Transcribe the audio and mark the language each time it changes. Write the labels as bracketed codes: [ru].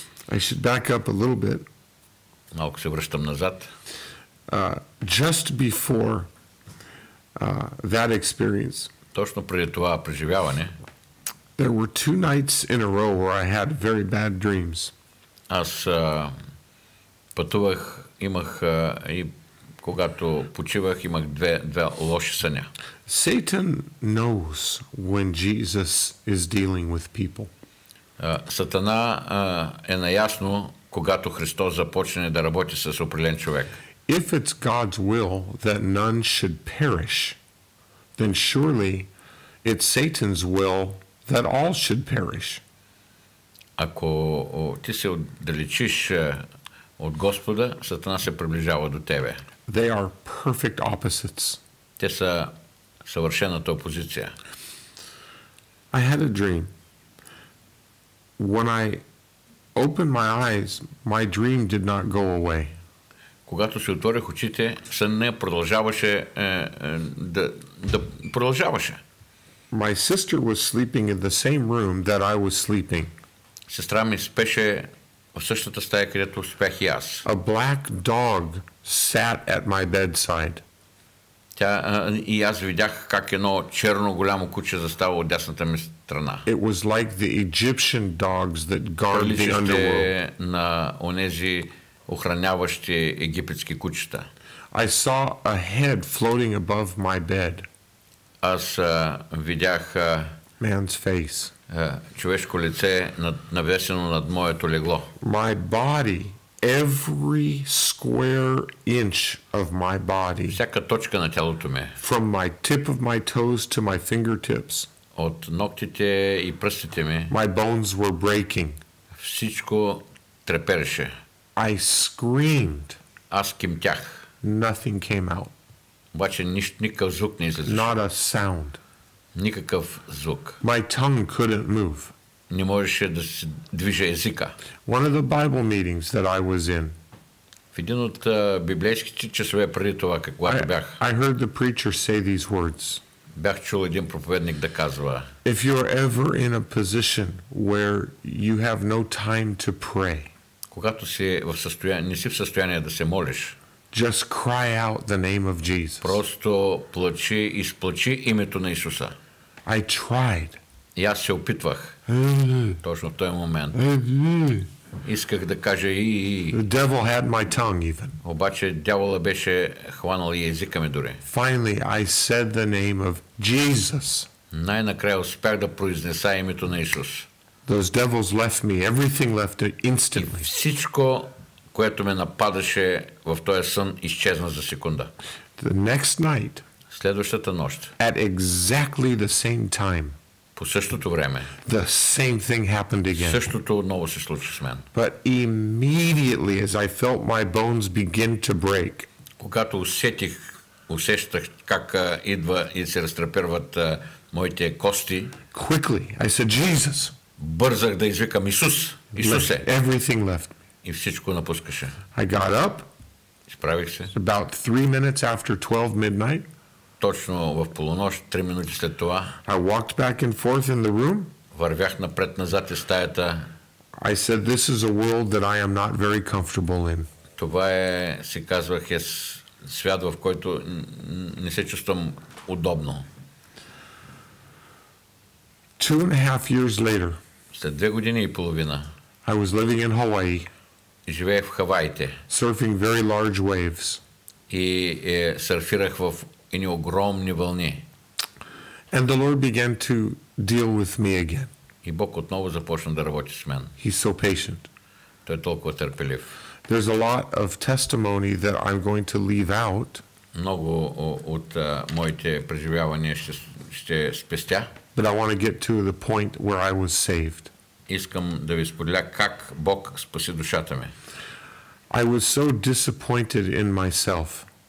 [en] I should back up a little bit. [bg] Малко се връщам назад. [en] Just before that experience. [bg] Точно преди това преживяване. [en] There were 2 nights in a row where I had very bad dreams. [bg] Аз пътувах, имах и когато почивах, имах две лоши съня. [en] Satan knows when Jesus is dealing with people. [bg] Сатана е наясно, когато Христос започне да работи с определен човек. [en] If it's God's will that none should perish, then surely it's Satan's will that all should perish. [bg] Ако ти се отдалечиш от Господа, Сатана се приближава до тебе. [en] They are perfect opposites. [bg] Те са съвършената опозиция. [en] I had a dream. When I opened my eyes, my dream did not go away. [bg] Когато си отворих очите, сънът продължаваше да продължаваше. [en] My sister was sleeping in the same room that I was sleeping. [bg] Сестра ми спеше в същата стая, където спях и аз. [en] A black dog sat at my bedside. [bg] И аз видях как едно черно голямо куче застава от дясната ми страна. [en] It was like the Egyptian dogs that guard the underworld. [bg] На онези охраняващи египетски кучета. [en] I saw a head floating above my bed. [bg] Аз видях [en] man's face. [bg] Човешко лице навесено над моето легло. [en] My body, every square inch of my body, [bg] всяка точка на тялото ми, [en] from my tip of my toes to my fingertips, [bg] от ноктите и пръстите ми, [en] my bones were breaking, [bg] всичко трепереше. [en] I screamed. [bg] Аз кимтях. [en] Nothing came out. [bg] Обаче никакъв звук не излизаше. [en] Not a sound. [bg] Никакъв звук. [en] My tongue couldn't move. [bg] Не можеше да се движи езика. [en] One of the Bible meetings that I was in. [bg] В един от библейските часове преди това, когато бях. [en] I heard the preacher say these words. [bg] Бях чул един проповедник да казва. [en] If you're ever in a position where you have no time to pray. [bg] Когато си в състояние, не си в състояние да се молиш. [en] Just cry out the name of Jesus. [bg] Просто плачи, изплачи името на Исуса. [en] I tried. [bg] И аз се опитвах. Точно в този момент. Исках да кажа и. [en] The devil had my tongue even. [bg] Обаче дявола беше хванал и езика ми дори. [en] Finally I said the name of Jesus. [bg] Най-накрая успях да произнеса името на Исус. [en] Those devils left me. Everything left instantly. [bg] И всичко, което ме нападаше в този сън, изчезна за секунда. [en] The next night. [bg] Следващата нощ. [en] At exactly the same time. [bg] По същото време. [en] The same thing happened again. [bg] Същото отново се случи с мен. [en] But immediately as I felt my bones begin to break. [bg] Когато усещах как идва и се разтреперват моите кости. [en] Quickly I said Jesus. [bg] Бързах да извикам Исус. Исусе. [en] Everything left. [bg] И всичко напускаше. [en] I got up. [bg] Изправих се. [en] About 3 minutes after 12 midnight. [bg] Точно в полунощ, 3 минути след това. [en] I walked back and forth in the room. [bg] Вървях напред-назад из стаята. [en] I said this is a world that I am not very comfortable in. [bg] Това е, си казвах, е свят, в който не се чувствам удобно. [en] 2.5 years later. [bg] След 2 години и половина. [en] I was living in Hawaii. [bg] Живеех в Хаваите. [en] Surfing very large waves. [bg] И сърфирах в едни огромни вълни. [en] And the Lord began to deal with me again. [bg] И Бог отново започна да работи с мен. [en] He's so patient. [bg] Той е толкова търпелив. [en] There's a lot of testimony that I'm going to leave out. [bg] Много от моите преживявания ще спестя. [en] But I want to get to the point where I was saved. [bg] Искам да ви споделя как Бог спаси душата ми. [en] I was so disappointed in myself.